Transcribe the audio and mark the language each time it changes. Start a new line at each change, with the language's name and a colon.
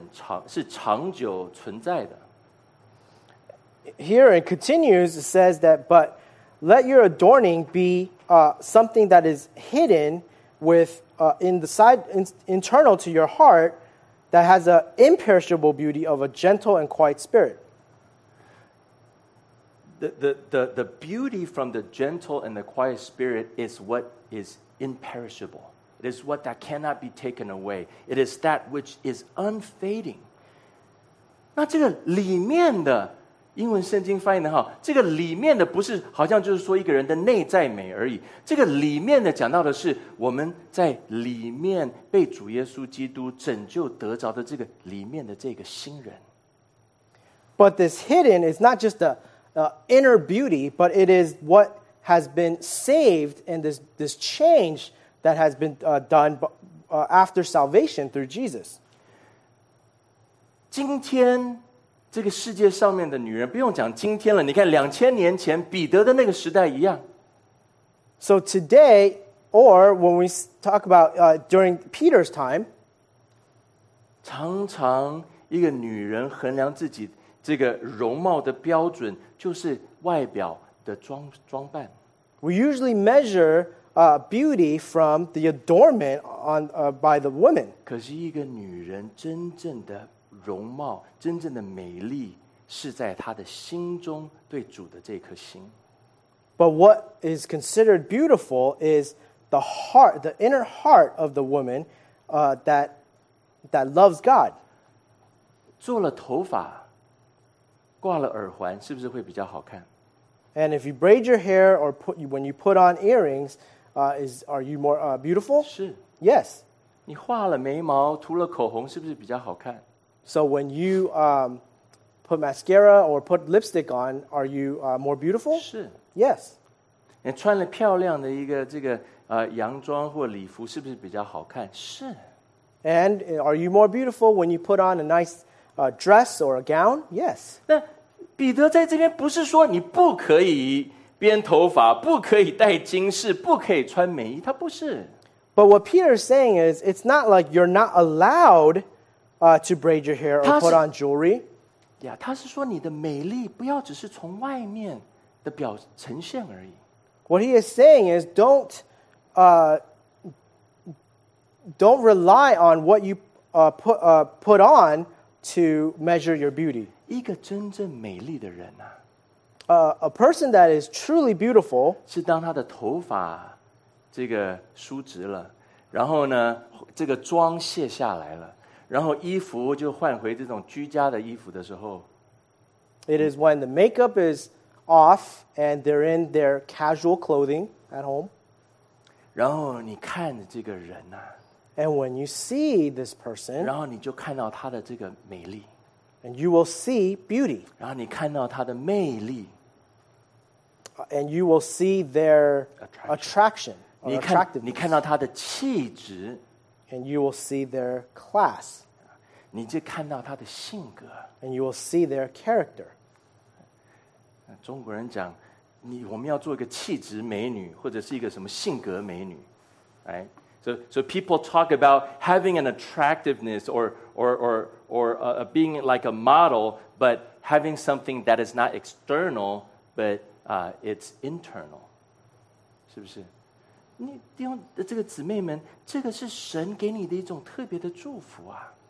Chinese: 这一节经文事实上它的意思更直接的表达就是你要装饰自己的那个最完美从神那边来的装饰是你那一颗温柔安静的心是永远长是长久存在的。
English: Here it continues, it says that, but let your adorning be something that is hidden with internal to your heart that has an imperishable beauty of a gentle and quiet spirit. The beauty from the gentle and the quiet spirit is what is imperishable. It is what that cannot be taken away. It is that which is unfading.
Chinese: 那这个里面的英文圣经翻译的好,这个里面的不是好像就是说一个人的内在美而已,这个里面的讲到的是我们在里面被主耶稣基督拯救得着的这个里面的这个新人。
English: But this hidden is not just the inner beauty, but it is what has been saved and this change that has been done after salvation through Jesus.
Chinese: 今天这个世界上面的女人，不用讲今天了，你看两千年前彼得的那个时代一样。
English: So today, or when we talk about during Peter's time,
Chinese: 常常一个女人衡量自己这个容貌的标准就是外表的 装扮。
English: We usually measure beauty from the adornment on by the woman.
Chinese: 可是一个女人真正的容貌，真正的美丽，是在她的心中对主的这颗心。
English: But what is considered beautiful is the heart, the inner heart of the woman, that loves God.
Chinese: 做了头发，挂了耳环，是不是会比较好看？
English: And if you braid your hair or when you put on earrings, are you more beautiful?
Chinese: 是。
English: Yes.
Chinese: 你画了眉毛，涂了口红，是不是比较好看？
English: So when you put mascara or put lipstick on, are you more beautiful?
Chinese: 是。
English: Yes.
Chinese: 你穿了漂亮的一个这个洋装或礼服是不是比较好看？是。
English: And are you more beautiful when you put on a nice dress or a gown? Yes.
Chinese: 那彼得在这边不是说你不可以编头发，不可以戴金饰，不可以穿美衣，他不是。
English: But what Peter is saying is, it's not like you're not allowed to braid your hair or put on jewelry.
Chinese: Yeah, 他是说你的美丽不要只是从外面的表呈现而已。
English: What he is saying is don't rely on what you put on to measure your beauty.
Chinese: 一个真正美丽的人啊。
English: A person that is truly beautiful
Chinese: 是当他的头发这个梳直了，然后呢这个妆卸下来了，然后衣服就换回这种居家的衣服的时候。
English: It is when the makeup is off and they're in their casual clothing at home.
Chinese: 然后你看着这个人啊。
English: And when you see this person.
Chinese: 然后你就看到他的这个美丽。
English: And you will see beauty.
Chinese: 然后你看到他的魅力。
English: And you will see their attraction.
Chinese: 你看到他的气质。
English: And you will see their class.
Chinese: 你就看到他的性格。
English: And you will see their character.
Chinese: 中国人讲，我们要做一个气质美女，或者是一个什么性格美女。
English: Right? So people talk about having an attractiveness or being like a model, but having something that is not external, but it's internal.
Chinese: 是不是？你弟兄的这个姊妹们，这个是神给你的一种特别的祝福啊。